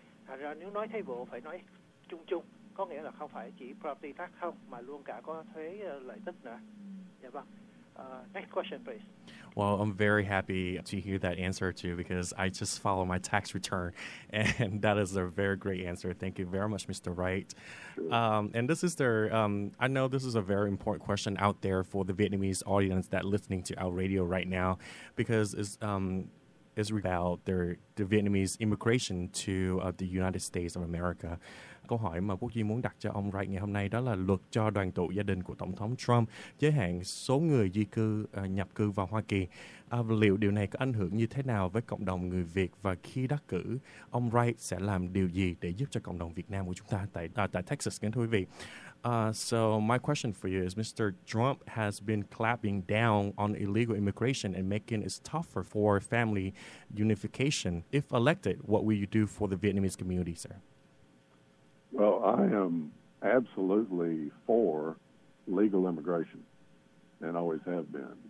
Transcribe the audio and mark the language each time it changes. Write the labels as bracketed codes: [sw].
[vi] Thật ra nếu nói thuế vụ phải nói chung chung, có nghĩa là không phải chỉ property tax không mà luôn cả có thuế lợi tức nữa. Dạ vâng. [en] Next question, please. Well, I'm very happy to hear that answer too, because I just follow my tax return, and that is a very great answer. Thank you very much, Mr. Wright. And this is I know this is a very important question out there for the Vietnamese audience that listening to our radio right now, because it's about the Vietnamese immigration to the United States of America. [vi] Câu hỏi mà Quốc Duy muốn đặt cho ông Wright ngày hôm nay đó là luật cho đoàn tụ gia đình của Tổng thống Trump giới hạn số người di cư nhập cư vào Hoa Kỳ. Liệu điều này có ảnh hưởng như thế nào với cộng đồng người Việt, và khi đắc cử, ông Wright sẽ làm điều gì để giúp cho cộng đồng Việt Nam của chúng ta tại Texas, kính thưa quý vị? [en] So my question for you is, Mr. Trump has been clamping down on illegal immigration and making it tougher for family unification. If elected, what will you do for the Vietnamese community, sir? Well, I am absolutely for legal immigration, and always have been.